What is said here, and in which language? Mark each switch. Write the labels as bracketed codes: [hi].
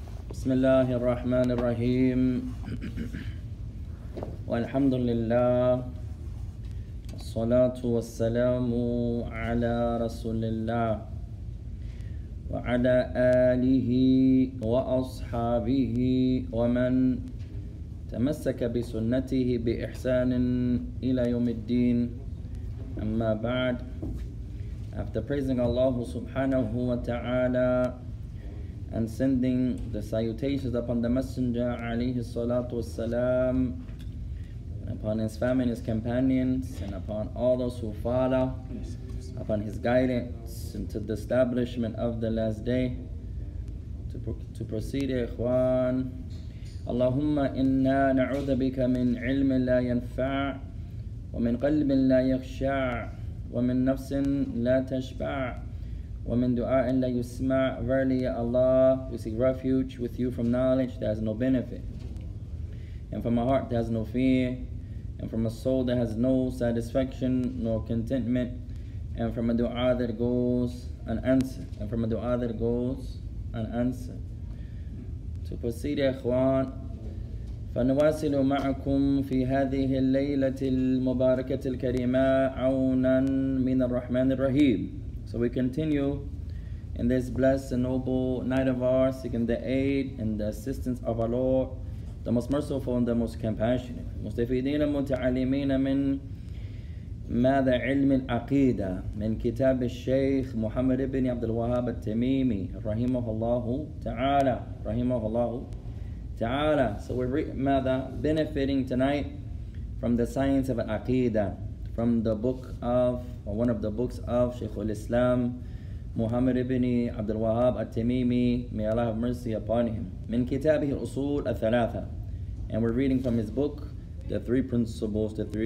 [ar] بسم الله الرحمن الرحيم والحمد لله والصلاة والسلام على رسول الله وعلى آله وأصحابه ومن تمسك بسنته بإحسان إلى يوم الدين أما بعد. [en] After praising Allah [ar] سبحانه وتعالى [en] and sending the salutations upon the Messenger [ar] alayhi salatu wasalam, [en] upon his family and his companions, and upon all those who follow, upon his guidance into the establishment of the last day, to proceed, ikhwan. [ar] Allahumma inna na'udha bika min ilmin la yanfa' wa min qalbin la yakhsha' wa min nafsin la tashba' وَمِنْ دُعَاءٍ لَا يُسْمَعْ. [en] Verily, Ya Allah, we seek refuge with you from knowledge that has no benefit, and from a heart that has no fear, and from a soul that has no satisfaction nor contentment, and from a dua that goes unanswered, and from a dua that goes unanswered. To proceed, Ya Ikhwan, [ar] فَنُوَاسِلُ مَعَكُمْ فِي هَذِهِ اللَّيْلَةِ الْمُبَارَكَةِ الْكَرِيمَةِ عَوْنًا مِنَ الرَّحْمَنِ الرَّحِيمِ. [en] So we continue in this blessed and noble night of ours, seeking the aid and the assistance of our Lord, the most merciful and the most compassionate. [ar] مستفيدين متعلمين من ماذا علم العقيدة من كتاب الشيخ محمد بن عبد الوهاب التميمي رحمه الله تعالى رحمه الله تعالى. [en] So we're [ar] ماذا [en] benefiting tonight from the science of العقيدة, from the book of, or one of the books of, Shaykh al-Islam Muhammad ibn Abdul Wahhab al-Tamimi, may Allah have mercy upon him. [ar] Min kitabihi Usool al-Thalaathah. [en] And we're reading from his book, the three principles.